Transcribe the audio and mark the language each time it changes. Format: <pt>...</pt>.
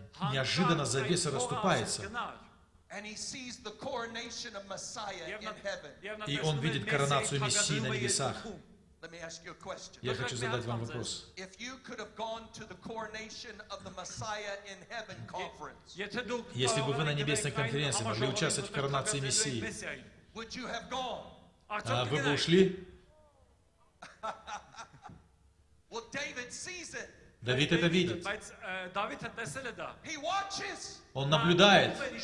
<ru>Неожиданно завеса расступается.</ru> <en>And he sees the coronation of Messiah in heaven.</en> <ru>И он видит коронацию Мессии на небесах.</ru> <en>Let me ask you a question.</en> <ru>Я хочу задать вам вопрос.</ru> <en>If you could have gone to the coronation of the Messiah in heaven conference,</en> <ru>если бы вы на небесной конференции могли участвовать в коронации Мессии,</ru> <en>would you have gone?</en> <ru>А вы бы ушли?</ru> <en>Well, David sees it.</en> <ru>Давид это видит. Давид это следа.</ru> <en>He watches.</en> <ru>Он наблюдает.</ru>